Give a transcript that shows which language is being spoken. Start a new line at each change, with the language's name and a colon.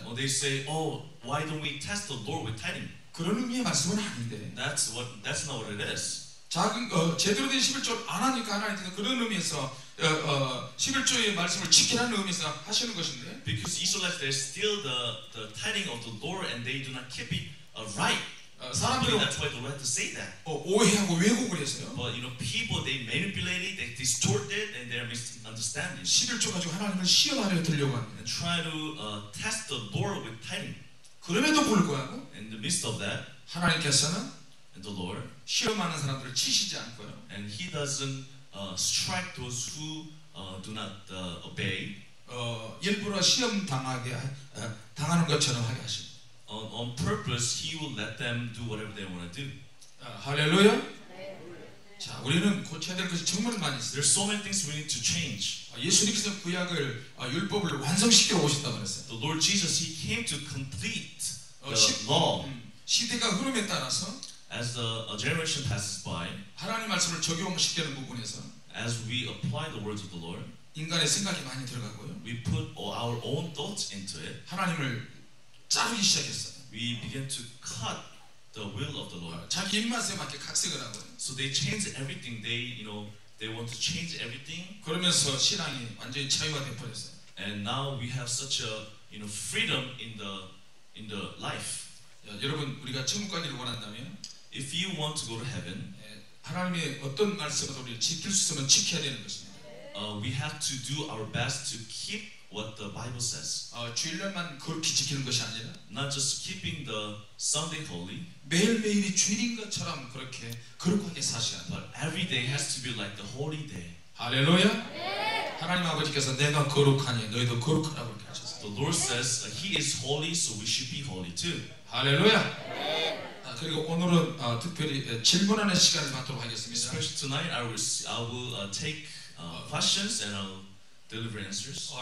English: Well, they say, oh, why don't we test the Lord with tithing?
Korean: 그런 의미의 말씀은 아닌데.
English: That's not what it is.
Korean: 제대로 된 십일조 안 하니까 하나님께서 그런 의미에서 십일조의 말씀을 지키라는 의미에서 하시는 것인데.
English: Because Israelites they steal the tithing of the Lord and they do not keep it right.
Korean: 사람들은
English: that's why the Lord had to say that.
Korean: 오해하고 왜곡을 했어요.
English: But you know people they manipulate it, they distort it, and they're misunderstanding.
Korean: 십일조 가지고 하나님을 시험하려 들려고 합니다.
English: And try to test the Lord with tithing.
Korean: 그럼에도 불구하고.
English: In the midst of that,
Korean: 하나님께서는
English: the Lord
Korean: 시험하는 사람들을 치시지 않고요.
English: And He doesn't strike those who do not obey.
Korean: 일부러 시험 당하게 당하는 것처럼 하게 하십니다.
English: On purpose, He will let them do whatever they want to do.
Korean: 할렐루야. 자, 우리는 고쳐야 될 것이 정말 많이 있어요.
English: There's so many things we need to change.
Korean: 예수님께서 구약을 율법을 완성시켜 오셨다 그랬어요.
English: The Lord Jesus He came to complete the law.
Korean: 시대가 흐름에 따라서.
English: As a generation passes by,
Korean: 하나님 말씀을 적용시키는 부분에서,
English: as we apply the words of the Lord,
Korean: 인간의 생각이 많이 들어가고요.
English: We put our own thoughts into it.
Korean: 하나님을 자르기 시작했어요.
English: We begin to cut the will of the Lord.
Korean: 자기 입맛에 맞게 각색을 하고.
English: So they change everything. They want to change everything.
Korean: 그러면서 신앙이 완전히 자유화된 버렸어요.
English: And now we have such a freedom in the life.
Korean: 여러분 우리가 천국 가기를 원한다면
English: if you want to go to heaven
Korean: 하나님의 어떤 말씀을 우리가 지킬 수 있으면 지켜야 되는 것입니다.
English: We have to do our best to keep what the Bible says.
Korean: 주일날만 그렇게 지키는 것이 아니라
English: not just keeping the Sunday holy
Korean: 매일매일이 주일인 것처럼 그렇게 거룩하게 사셔야 합니다.
English: But every day has to be like the holy day.
Korean: 할렐루야. 하나님 아버지께서 내가 거룩하니 너희도 거룩하라고 이렇게 하셨어요.
English: The Lord says he is holy so we should be holy too.
Korean: 할렐루야. 그리고 오늘은 특별히 질문하는 시간을 갖도록 하겠습니다.
English: Especially tonight, I will take questions and I'll deliver answers.